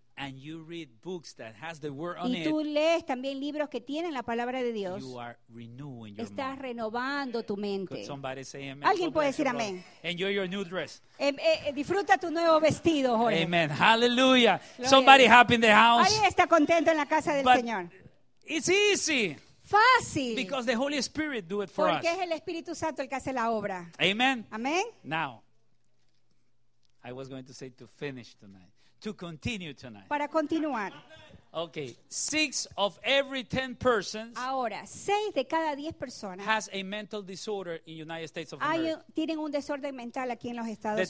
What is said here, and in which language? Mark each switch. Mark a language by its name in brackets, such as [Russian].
[English] and you read books that has the word on [Spanish] y tú [English] it, [Spanish] lees también libros que tienen la palabra de Dios, [English] you are renewing your [Spanish] estás [English] mind. [Spanish] Renovando tu mente. [English] Could somebody say amen? [Spanish] Alguien puede decir amén. [English] Enjoy your new dress. [Spanish] Disfruta tu nuevo vestido, Jorge. [English] Amen. Hallelujah. Gloria. Somebody happy in the house. [Spanish] Alguien está contento en la casa del [English] but [Spanish] Señor. [English] It's easy. [Spanish] Fácil. [English] Because the Holy Spirit do it for [Spanish] porque [English] us. [Spanish] Porque es el Espíritu Santo el que hace la obra. Amen. Amen. [English] Now, I was going to say to finish tonight. To continue tonight. [Spanish] Para continuar. [English] Okay. 6 of every 10 persons. [Spanish] Ahora, 6 de cada 10 personas. [English] Has a mental disorder in the United States of America. [Spanish] Tienen un desorden mental aquí en los Estados Unidos.